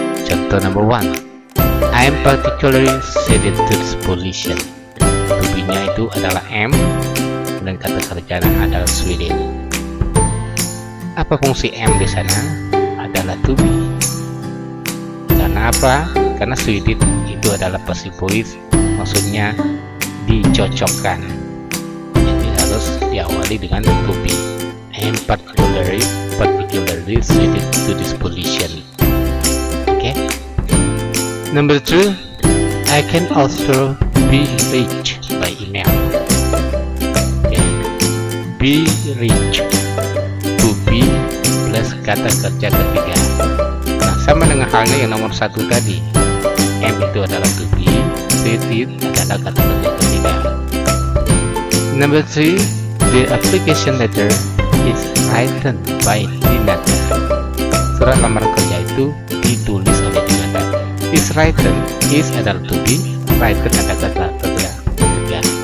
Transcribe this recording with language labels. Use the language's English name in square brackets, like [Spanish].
[Indonesian] Contoh [English] number 1, I am particularly suited to this position. [Indonesian] To be nya itu adalah am dan kata kerjanya adalah suited. Apa fungsi am di sana? Adalah to be. Karena apa? Karena suited itu adalah passive voice, maksudnya dicocokkan. Jadi harus diawali dengan to be. [English] I'm particularly suited to this position. Okay. Number 2, I can also be reached by email. Okay. Be reached. To be plus [Indonesian] kata kerja ketiga. Nah, sama dengan halnya yang nomor 1 tadi. Am itu adalah to be, suited adalah kata kerja ketiga. [English] Number 3, the application letter is written by Dinata. [Indonesian] Surat lamaran kerja itu ditulis oleh Dinata. Is written, is adalah to be, written adalah kata kerja ketiga.